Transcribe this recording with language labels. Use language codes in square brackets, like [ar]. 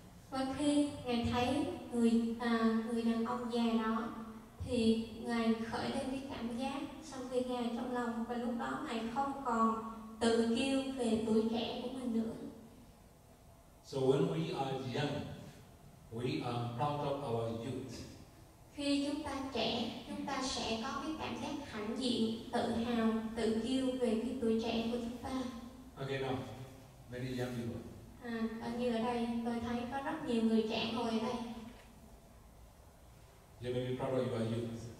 [vi] Và khi ngài thấy người đàn ông già đó, thì ngài khởi lên cái cảm giác sân si ngài trong lòng, và lúc đó ngài không còn tự kêu về tuổi trẻ của mình nữa. [en] So when we are young, we are proud of our youth. [vi] Khi chúng ta trẻ, chúng ta sẽ có cái cảm giác hãnh diện, tự hào, tự kêu về cái tuổi trẻ của chúng ta. [en] Okay, now, many young people. [vi] Như ở đây, tôi thấy có rất nhiều người trẻ ngồi ở đây. [en] You may be proud of your youth.